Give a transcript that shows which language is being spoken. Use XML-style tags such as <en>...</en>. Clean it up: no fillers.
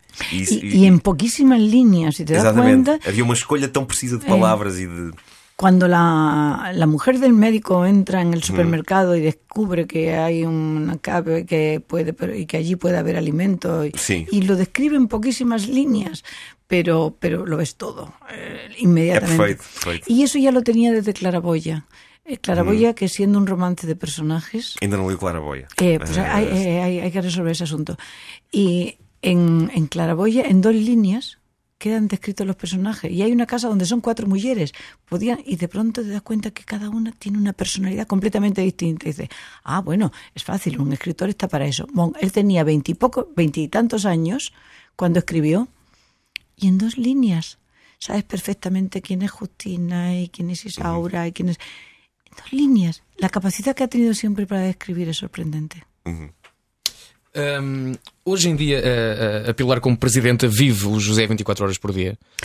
<pt>E em pouquíssimas linhas, se te dá conta. Havia uma escolha tão precisa de palavras e de...</pt> <es>Cuando la mujer del médico entra en el supermercado y descubre que hay una cave que allí puede haber alimento y lo describe en poquísimas líneas, pero lo ves todo inmediatamente. Perfecto. Y eso ya lo tenía desde Claraboya. Claraboya, que siendo un romance de personajes...</es> <pt>Ainda no leí Claraboya.</pt> <es>Hay que resolver ese asunto. Y en Claraboya, en dos líneas, quedan descritos los personajes. Y hay una casa donde son cuatro mujeres. Y de pronto te das cuenta que cada una tiene una personalidad completamente distinta. Y dices, bueno, es fácil, un escritor está para eso. Bueno, él tenía veintitantos años cuando escribió. Y en dos líneas sabes perfectamente quién es Justina y quién es Isaura y quién es... En dos líneas. La capacidad que ha tenido siempre para escribir es sorprendente.</es> <pt>Hoje em dia, a Pilar como presidenta vive o José 24 horas por dia.</pt>